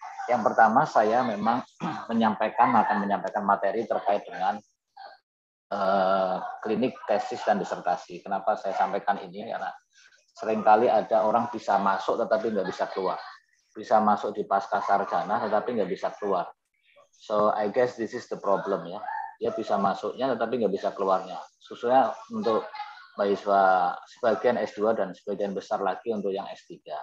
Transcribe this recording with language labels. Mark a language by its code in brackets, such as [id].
[id] Yang pertama saya memang akan menyampaikan materi terkait dengan klinik, tesis, dan disertasi. Kenapa saya sampaikan ini? Karena seringkali ada orang bisa masuk tetapi nggak bisa keluar. Bisa masuk di pasca sarjana tetapi nggak bisa keluar. [en] So I guess this is the problem ya. [id] Dia bisa masuknya tetapi nggak bisa keluarnya. Khususnya untuk mahasiswa sebagian S2 dan sebagian besar lagi untuk yang S3.